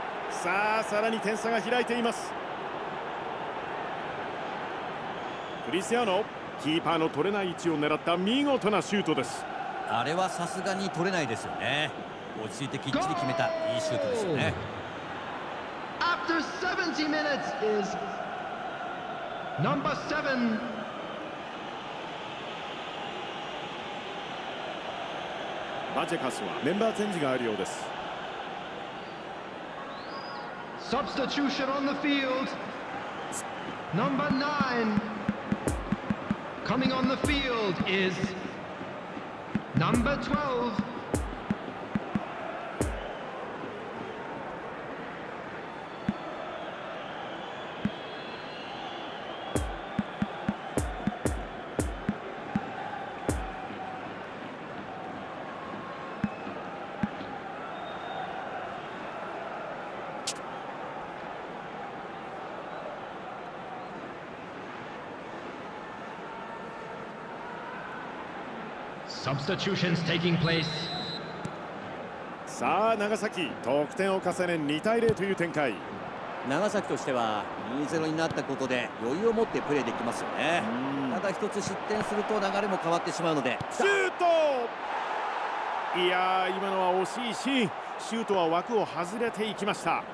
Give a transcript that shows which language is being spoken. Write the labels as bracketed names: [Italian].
[Japanese] さあさらに点差が開いています。クリスティアーノ、キーパーの取れない位置を狙った見事なシュートです。あれはさすがに取れないですよね。落ち着いてきっちり決めた、いいシュートですよね。 [English] After 70 minutes is number 7 [Japanese] バジェカスはメンバーチェンジがあるようです。 [English] Substitution on the field number 9 coming on the field is number 12 Substitutions taking place. [Japanese] さあ長崎、得点を重ね2対0という展開。長崎としては 2-0 になったことで余裕を持ってプレーできますよね。ただ一つ失点すると流れも変わってしまうので、シュート、いやー今のは惜しいシーン、シュートは枠を外れていきました。